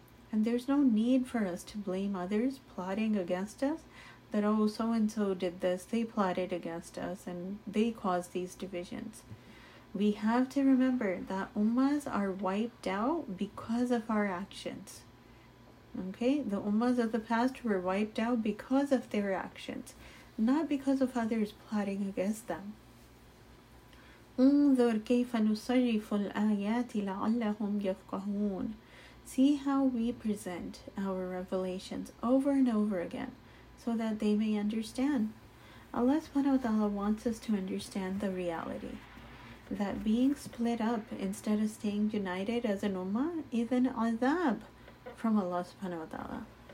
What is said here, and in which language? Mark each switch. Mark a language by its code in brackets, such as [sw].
[en] And there's no need for us to blame others plotting against us, that, oh, so-and-so did this, they plotted against us, and they caused these divisions. We have to remember that ummahs are wiped out because of our actions. Okay, the ummahs of the past were wiped out because of their actions, not because of others plotting against them. [ar] انظر كيف نصرف الآيات لعلهم يفقهون. [en] See how we present our revelations over and over again so that they may understand. Allah subhanahu wa ta'ala wants us to understand the reality that being split up instead of staying united as an ummah is an azab from Allah subhanahu wa ta'ala.